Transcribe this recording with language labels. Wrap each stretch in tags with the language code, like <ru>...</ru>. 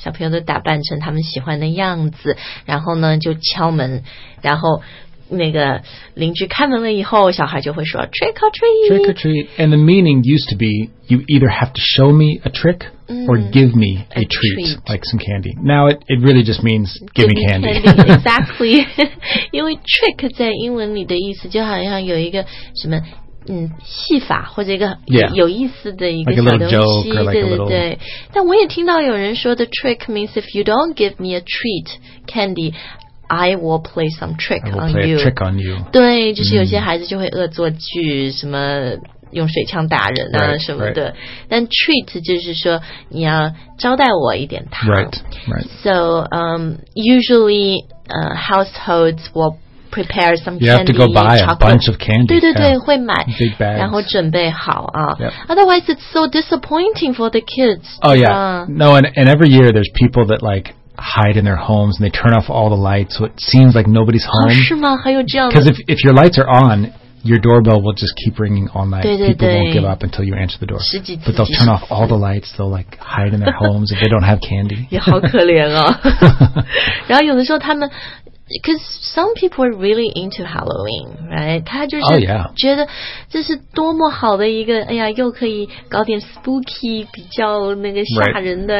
<zh>小朋友都打扮成他们喜欢的样子然后呢就敲门然后那个邻居开门了以后小孩就会说 trick or treat.</zh> <en>Trick or treat. And the meaning used to be you either have to show me a trick、 mm, or give me a treat, treat, like some candy. Now it really just means give me candy. Exactly.</en> <zh>因为 trick 在英文里的意思就好像有一个什么戏法或者一个有意思的一个小东西、</zh> <en>yeah. like a little joke or like a little...</en> <zh>对对对。但我也听到有人说</zh> <en>the trick means if you don't give me a treat, candy,I will play some trick on you. I will play A trick on you.</en> <zh>对，就是有些孩子就会恶作剧，什么用水枪打人啊什么的。</zh> <en>Right, right.</en> <zh>但 treat 就是说你要招待我一点糖。</zh> <en>Right, right. So, usually, households will prepare some candy. You have to go buy a bunch of candy.</en> <zh>对对对，</zh> <en>yeah.</en> <zh>会买。</zh> <en>Big bags.</en> <zh>然后准备好啊。</zh> <en>Yep. Otherwise, it's so disappointing for the kids. Oh, yeah. No, and every year there's people that like,hide in their homes and they turn off all the lights so it seems like nobody's home.</en> <zh>是吗？还有这样？</zh> <en>Because if your lights are on, your doorbell will just keep ringing all night.</en> <zh>对对对。</zh> <en>People won't give up until you answer the door.</en> <zh>十几次。</zh> <en>But they'll turn off all the lights, they'll like hide in their homes if they don't have candy.</en> <zh>也好可怜啊。然后有的时候他们</zh> <en>because some people are really into Halloween, right?</en> <zh>他就是、</zh> <en>oh, yeah.</en> <zh>觉得这是多么好的一个哎呀又可以搞点 spooky, 比较那个吓人的、</zh>